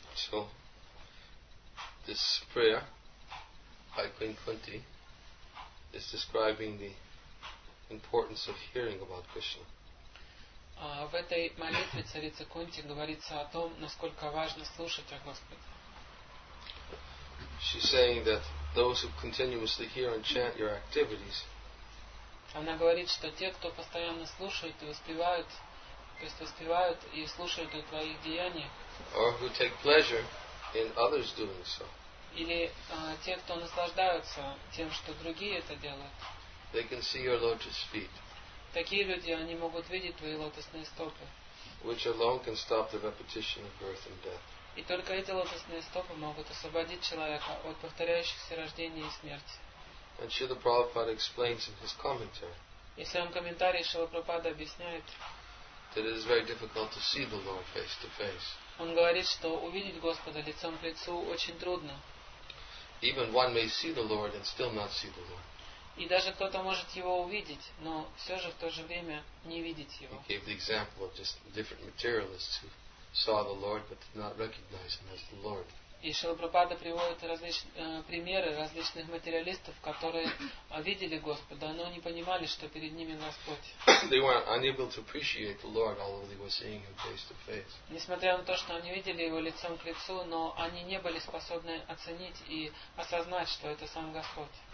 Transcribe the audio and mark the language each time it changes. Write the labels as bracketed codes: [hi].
[en] So, this prayer by Queen Kunti is describing the importance of hearing about Krishna. [ru] В этой молитве царица Кунти говорится о том, насколько важно слушать о Господе. [en] She's saying that those who continuously hear and chant your activities. [ru] Она говорит, что те, кто постоянно слушают и воспевают, то есть воспевают и слушают о твоих деяниях. [en] Or who take pleasure in others doing so. [ru] Или те, кто наслаждаются тем, что другие это делают. [en] They can see your lotus feet. [ru] Такие люди, они могут видеть твои лотосные стопы. [en] Which alone can stop the repetition of birth and death. [ru] И только эти лотосные стопы могут освободить человека от повторяющихся рождений и смерти. [en] And Śrīla Prabhupāda explains in his commentary. [ru] И в своем комментарии Śrīla Prabhupāda объясняет. [en] That it is very difficult to see the Lord face to face. [ru] Он говорит, что увидеть Господа лицом к лицу очень трудно. [en] Even one may see the Lord and still not see the Lord. [ru] И даже кто-то может его увидеть, но все же в то же время не видеть его. [en] He gave the example of just different materialists who saw the Lord but did not recognize Him as the Lord. [ru] И Śrīla Prabhupāda приводит примеры различных материалистов, которые видели Господа, но не понимали, что перед ними Господь. Несмотря на то, что они видели Его лицом к лицу, но они не были способны оценить и осознать, что это Сам Господь.